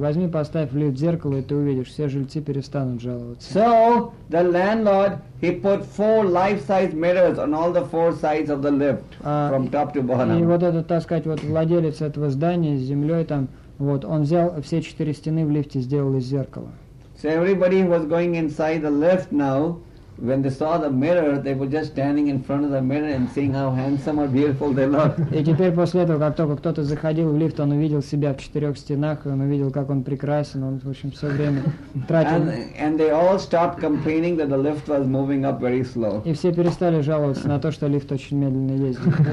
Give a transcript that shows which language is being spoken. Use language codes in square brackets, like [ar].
[ru] Возьми, поставь в лифт зеркало, и ты увидишь, все жильцы перестанут жаловаться. [en] So, the landlord, he put four life-size mirrors on all the four sides of the lift, from top to bottom. [ru] И вот этот, так сказать, вот владелец этого здания с землей там, вот, он взял все четыре стены в лифте, сделал из зеркала. [en] So everybody who was going inside the lift now, when they saw the mirror, they were just standing in front of the mirror and seeing how handsome or beautiful they look. [ru] И теперь после этого, как только кто-то заходил в лифт, он увидел себя в четырех стенах, он увидел, как он прекрасен, он, в общем, все время тратил. [en] And they all stopped complaining that the lift was moving up very slow. [ru] И все перестали жаловаться на то, что лифт очень медленно ездит.